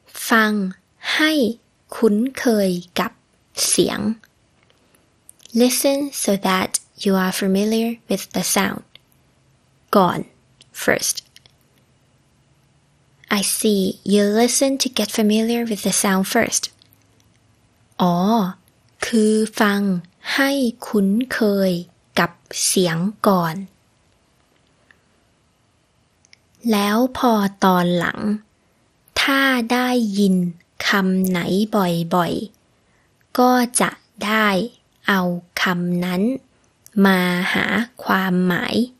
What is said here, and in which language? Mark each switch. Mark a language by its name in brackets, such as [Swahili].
[Thai] ฟังให้คุ้นเคยกับเสียง [English] Listen so that you are familiar with the sound. ก่อน first. I see. You listen to get familiar with the sound first. [Thai] อ๋อคือฟังให้คุ้นเคยกับเสียงก่อน แล้วพอตอนหลังถ้าได้ยินคำไหนบ่อยๆก็จะได้เอาคำนั้นมาหาความหมาย